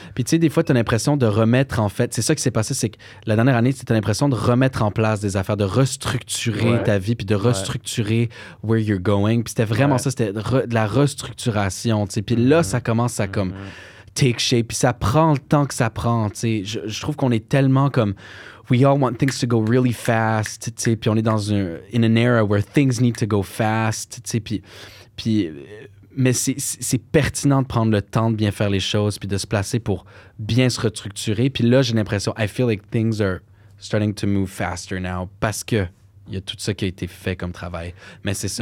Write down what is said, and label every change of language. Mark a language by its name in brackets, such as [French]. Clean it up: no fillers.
[French] Puis tu sais, des fois, t'as l'impression de remettre en fait... C'est ça qui s'est passé, c'est que la dernière année, t'as l'impression de remettre en place des affaires, de restructurer, ouais, ta vie, puis de restructurer, ouais, [English] where you're going. [French] Puis c'était vraiment, ouais, ça, c'était de la restructuration, tu sais. Puis là, ça commence à comme [English] take shape, [French] puis ça prend le temps que ça prend, tu sais. Je trouve qu'on est tellement comme... [English] We all want things to go really fast, tu sais. [French] Puis on est dans un... [English] In an era where things need to go fast, tu sais. Puis... [French] Mais c'est pertinent de prendre le temps de bien faire les choses, puis de se placer pour bien se restructurer. Puis là, j'ai l'impression, [English] I feel like things are starting to move faster now, [French] parce qu'il y a tout ça qui a été fait comme travail. Mais c'est ça.